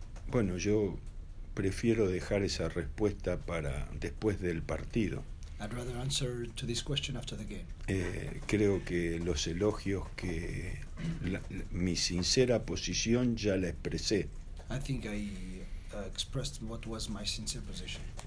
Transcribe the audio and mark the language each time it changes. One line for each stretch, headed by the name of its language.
Spanish: Bueno, yo prefiero dejar esa respuesta para después del partido.
English: I'd rather answer to this question after the game.
Spanish: Creo que los elogios que mi sincera posición ya la expresé.
English: I think I expressed what was my sincere position.